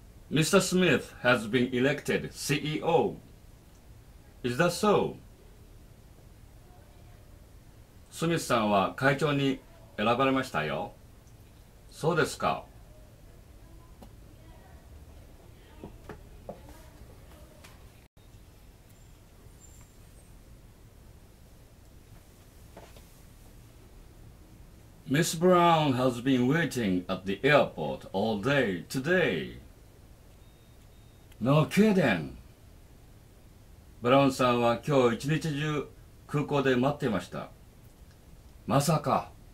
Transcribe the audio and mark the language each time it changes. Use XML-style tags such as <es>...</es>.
<en>Mr. Smith has been elected CEO. Is that so?</en> <ja>スミスさんは会長に選ばれましたよ。そうですか。</ja> <en>Miss Brown has been waiting at the airport all day today. No kidding.</en> <ja>ブラウンさんは今日一日中空港で待っていました。まさか。</ja>